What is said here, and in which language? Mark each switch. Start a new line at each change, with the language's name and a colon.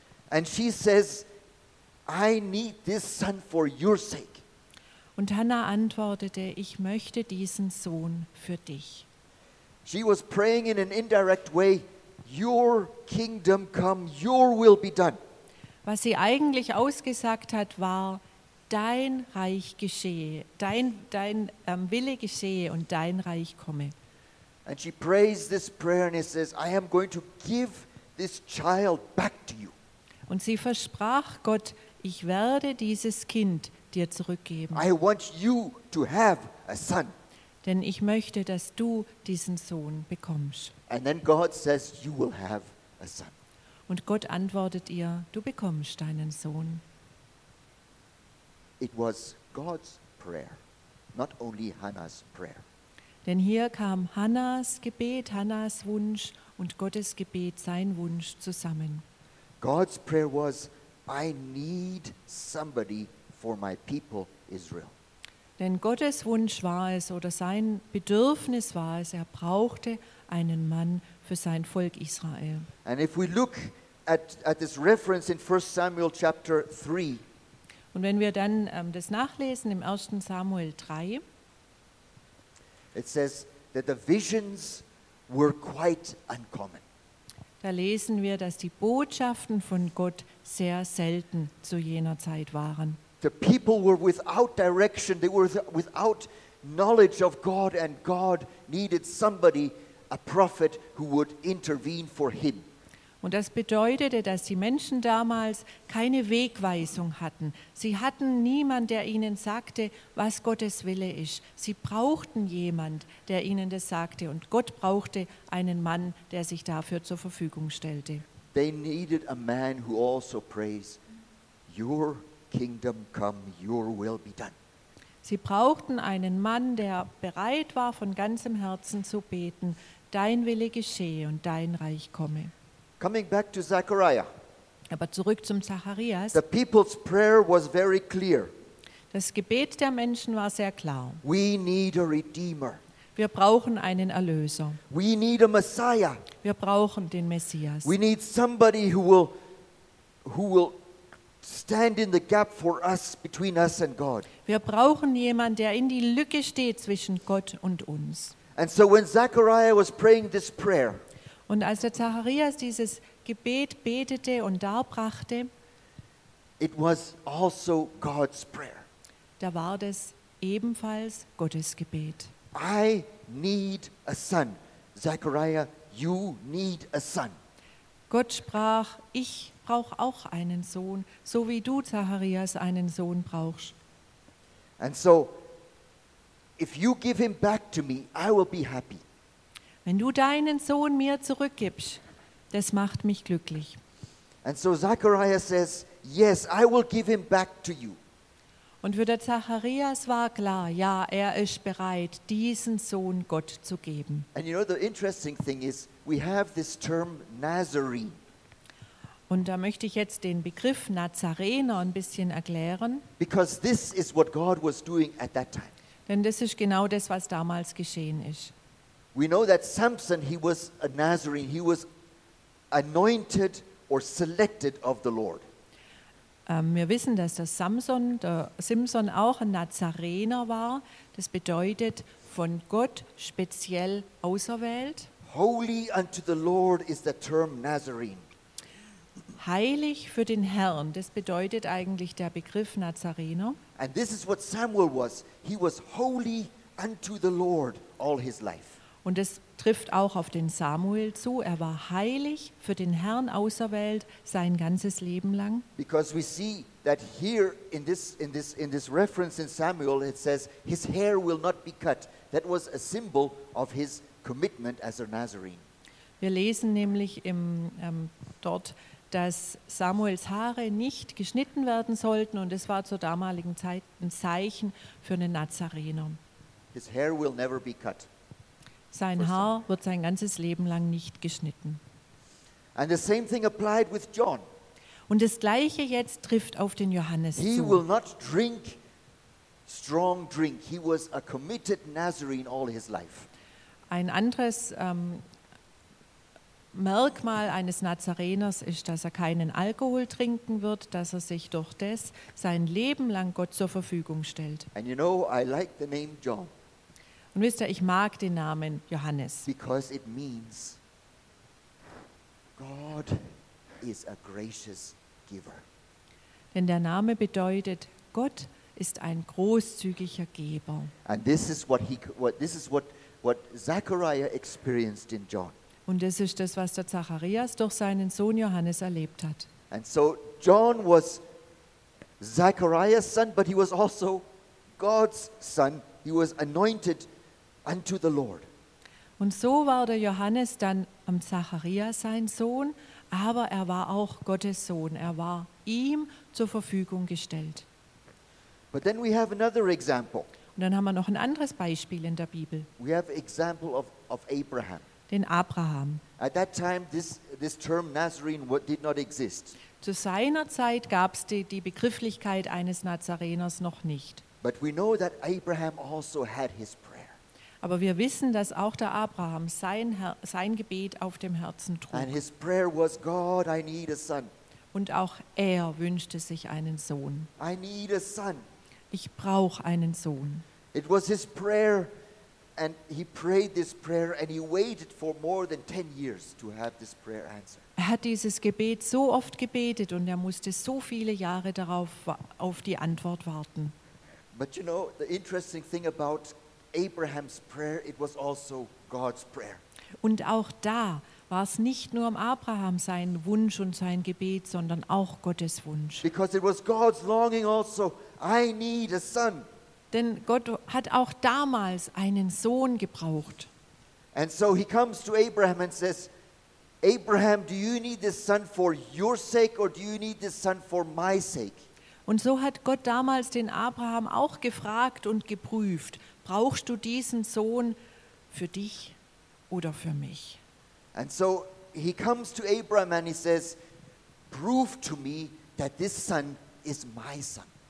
English: And she says, I need this son for your sake.
German: Und Hannah antwortete, ich möchte diesen Sohn für dich.
English: She was praying in an indirect way, your kingdom come, your will be done.
German: Was sie eigentlich ausgesagt hat, war, dein Reich geschehe, dein Wille geschehe und dein Reich komme.
English: And she prays this prayer and says, I am going to give this child back to you.
German: Und sie versprach Gott, ich werde dieses Kind dir zurückgeben.
English: I want you to have a son.
German: Denn ich möchte, dass du diesen Sohn bekommst.
English: And then God says, you will have a son.
German: Und Gott antwortet ihr, du bekommst deinen Sohn.
English: It was God's prayer, not only Hannah's prayer.
German: Denn hier kam Hannahs Gebet, Hannahs Wunsch und Gottes Gebet, sein Wunsch zusammen.
English: God's prayer was, I need somebody for my people Israel.
German: Denn Gottes Wunsch war es, oder sein Bedürfnis war es, er brauchte einen Mann für sein Volk Israel.
English: And if we look at this reference in 1 Samuel chapter 3,
German: und wenn wir dann das nachlesen im 1. Samuel 3,
English: it says that the visions were quite uncommon.
German: Da lesen wir, dass die Botschaften von Gott sehr selten zu jener Zeit waren.
English: The people were without direction, they were without knowledge of God, and God needed somebody, a prophet, who would intervene for him.
German: Und das bedeutete, dass die Menschen damals keine Wegweisung hatten. Sie hatten niemanden, der ihnen sagte, was Gottes Wille ist. Sie brauchten jemanden, der ihnen das sagte. Und Gott brauchte einen Mann, der sich dafür zur Verfügung stellte.
English: They needed a man who also prays, your kingdom come, your will be done.
German: Sie brauchten einen Mann, der bereit war, von ganzem Herzen zu beten, dein Wille geschehe und dein Reich komme.
English: Coming back to Zachariah.
German: Aber zurück zum Zacharias.
English: The people's prayer was very clear.
German: Das Gebet der Menschen war sehr klar.
English: We need a redeemer.
German: Wir brauchen einen Erlöser.
English: We need a Messiah.
German: Wir brauchen den Messias.
English: We need somebody who will stand in the gap for us, between us and God.
German: Wir brauchen jemanden, der in die Lücke steht zwischen Gott und uns.
English: And so when Zachariah was praying this prayer,
German: und als der Zacharias dieses Gebet betete und darbrachte,
English: it was also God's prayer.
German: Da war das ebenfalls Gottes Gebet.
English: I need a son. Zachariah, you need a son.
German: Gott sprach, ich brauche auch einen Sohn, so wie du, Zacharias, einen Sohn brauchst.
English: And so, if you give him back to me, I will be happy.
German: Wenn du deinen Sohn mir zurückgibst, das macht mich glücklich.
English: And so Zachariah says, yes, I will give him back to you.
German: Und für der Zacharias war klar, ja, er ist bereit, diesen Sohn Gott zu geben.
English: And you know, the interesting thing is, we have this term Nazarene.
German: Und da möchte ich jetzt den Begriff Nazarener ein bisschen erklären.
English: Because this is what God was doing at that time.
German: Denn das ist genau das, was damals geschehen ist.
English: We know that Samson, he was a Nazarene. He was anointed or selected of the Lord.
German: Wir wissen, dass der Simson auch ein Nazarener war. Das bedeutet, von Gott speziell auserwählt.
English: Holy unto the Lord is the term Nazarene.
German: Heilig für den Herrn, das bedeutet eigentlich der Begriff Nazarener.
English: And this is what Samuel was. He was holy unto the Lord all his life.
German: Und es trifft auch auf den Samuel zu. Er war heilig für den Herrn auserwählt sein ganzes Leben lang.
English: Because we see that here in this reference in Samuel, it says his hair will not be cut. That was a symbol of his commitment as a Nazarene.
German: Wir lesen nämlich dort, dass Samuels Haare nicht geschnitten werden sollten, und es war zur damaligen Zeit ein Zeichen für einen Nazarener.
English: His hair will never be cut.
German: Sein Haar wird sein ganzes Leben lang nicht geschnitten.
English: And the same thing applied with John.
German: Und das Gleiche jetzt trifft auf den Johannes
English: he
German: zu.
English: Will not drink strong drink. He was a committed Nazarene all his life.
German: Ein anderes Merkmal eines Nazareners ist, dass er keinen Alkohol trinken wird, dass er sich durch das sein Leben lang Gott zur Verfügung stellt.
English: And you know, I like the name John.
German: Und wisst ihr, ich mag den Namen Johannes.
English: Because it means God is a gracious giver.
German: Denn der Name bedeutet, Gott ist ein großzügiger Geber.
English: And this is what what Zachariah experienced in John.
German: Und das ist das, was der Zacharias durch seinen Sohn Johannes erlebt hat.
English: And so John was Zachariah's son, but he was also God's son. He was anointed unto the Lord.
German: Und so war der Johannes dann am Zacharias sein Sohn, aber er war auch Gottes Sohn. Er war ihm zur Verfügung gestellt.
English: But then we have another example.
German: Und dann haben wir noch ein anderes Beispiel in der Bibel.
English: We have example of Abraham.
German: Den Abraham.
English: At that time this term Nazarene did not exist.
German: Zu seiner Zeit gab es die Begrifflichkeit eines Nazareners noch nicht.
English: But we know that Abraham also had his prayer.
German: Aber wir wissen, dass auch der Abraham sein Gebet auf dem Herzen trug.
English: And his prayer was, God, I need a son.
German: Und auch er wünschte sich einen Sohn.
English: I need a son.
German: Ich brauche einen Sohn.
English: It was his prayer. And he prayed this prayer, and he waited for more than 10 years to have this prayer answered.
German: Er hat dieses Gebet so oft gebetet, und er musste so viele Jahre darauf auf die Antwort warten.
English: But you know, the interesting thing about Abraham's prayer, it was also God's prayer.
German: Und auch da war es nicht nur um Abraham sein Wunsch und sein Gebet, sondern auch Gottes Wunsch.
English: Because it was God's longing also, I need a son.
German: Denn Gott hat auch damals einen Sohn gebraucht.
English: And so he comes to Abraham and says, Abraham, do you need this son for your sake or do you need this son for my sake?
German: Und so hat Gott damals den Abraham auch gefragt und geprüft, brauchst du diesen Sohn für dich oder für mich?
English: And so he comes to Abraham and he says, prove to me that this son is my son.